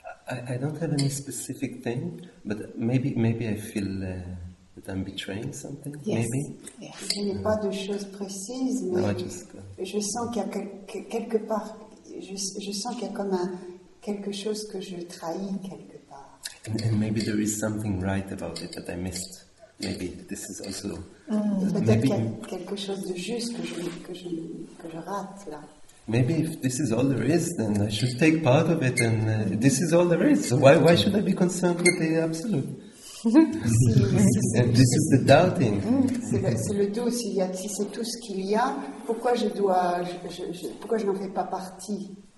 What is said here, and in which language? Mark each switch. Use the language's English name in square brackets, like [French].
[English] I don't have any specific thing, but maybe I feel that I'm betraying something, yes. Maybe? [French] Yes. Je n'ai pas de choses précises, mais [English] no, [French] je sens qu'il y a quelque part, je sens qu'il y a comme quelque chose que je trahis quelque part. [English] And maybe there is something right about it that I missed. Maybe this is also. [French] Peut-être qu'il y a quelque chose de juste que je rate là. [English] Maybe if this is all there is, then I should take part of it, and this is all there is. So why should I be concerned with the absolute? This is the doubting. [French] C'est le doute. S'il y a, si c'est tout ce qu'il y a, pourquoi je dois, pourquoi je n'en fais pas partie?